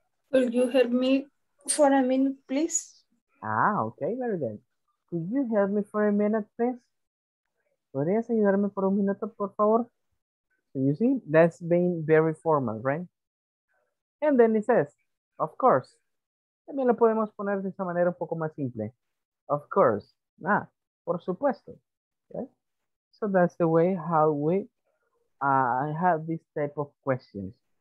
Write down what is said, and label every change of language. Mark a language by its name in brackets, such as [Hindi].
[English] Will you help me for a minute, please? Ah, okay, very good. Could you help me for a minute, please? [Spanish] ¿Podrías ayudarme por un minuto, por favor? [English] So you see, that's being very formal, right? And then it says, of course. [Spanish] También lo podemos poner de esa manera un poco más simple. [English] Of course. [Spanish] Ah, por supuesto. Okay? [English] So that's the way how we have this type of questions.